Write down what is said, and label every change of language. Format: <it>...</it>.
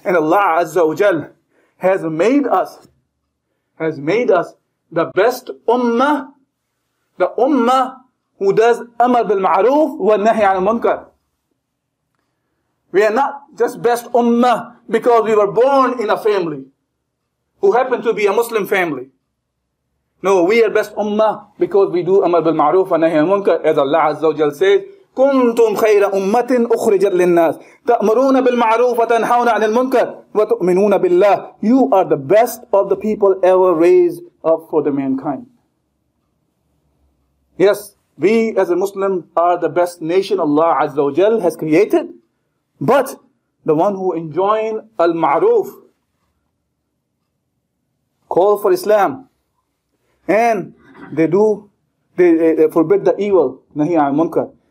<en>And Allah Azza wa Jal has made us the best ummah, the ummah who does amr bil ma'roof wa nahi al munkar. We are not just best ummah because we were born in a family who happened to be a Muslim family. No, we are best ummah because we do amr bil ma'roof wa nahi al munkar, as Allah Azza wa Jal says,</en> <ar>كنتم خير أمة أخرجت للناس تأمرون بالمعروف وتنهون عن المنكر وتؤمنون بالله.</ar> <en>You are the best of the people ever raised up for the mankind. Yes, we as a Muslim are the best nation Allah Azza wa Jal has created. But the one who enjoin al-ma'roof, call for Islam, and they forbid the evil, nahi an munkar.</en>